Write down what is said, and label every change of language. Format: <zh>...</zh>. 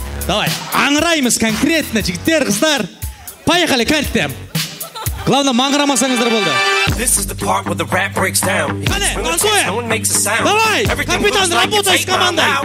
<ru>Давай,</ru> <kk>аңыраймыз</kk> <ru>конкретно,</ru> <kk>жігіттер, қыздар.</kk> <ru>Поехали,</ru> <kk>кәлттем.</kk> <ru>Главное,</ru> <kk>маңырамасаңыздар болды.</kk> <en>This is the part where the rap breaks down. No one makes a sound.</en> <ru>Давай, капитан, работай с командой.</ru>